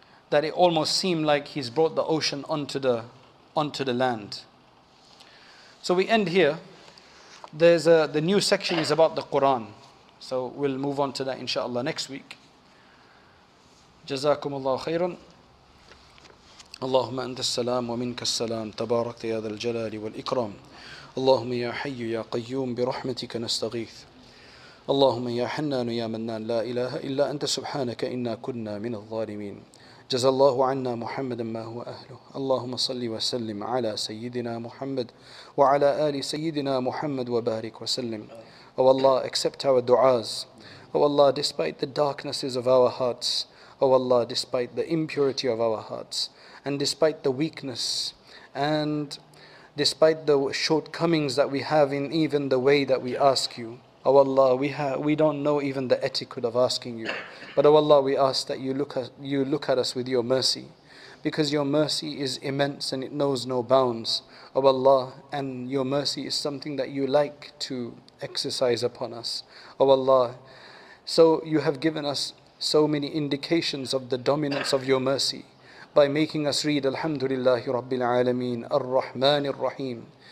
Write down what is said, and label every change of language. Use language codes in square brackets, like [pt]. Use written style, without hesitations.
[en] That it almost seemed like he's brought the ocean onto the land. So we end here. The new section is about the Quran. So we'll move on to that inshallah next week. Jazakum Allah khairan. [ar] اللهم أنت السلام ومنك السلام تبارك يا ذا الجلال والإكرام اللهم يا حي يا قيوم برحمتك نستغيث اللهم يا حنان يا منان لا إله إلا أنت سبحانك إنا كنا من الظالمين جزى الله عنا محمدا ما هو أهله اللهم صل وسلم على سيدنا محمد وعلى آل سيدنا محمد وبارك وسلم [en] O الله accept our دعاز O الله despite the darknesses of our hearts O الله despite the impurity of our hearts and despite the weakness, and despite the shortcomings that we have in even the way that we ask you, O Allah, we don't know even the etiquette of asking you. But O Allah, we ask that you look at us with your mercy, because your mercy is immense and it knows no bounds, O Allah, and your mercy is something that you like to exercise upon us, O Allah. So you have given us so many indications of the dominance of your mercy, by making us read Alhamdulillahi Rabbil Alameen, Ar-Rahman Ar-Rahim.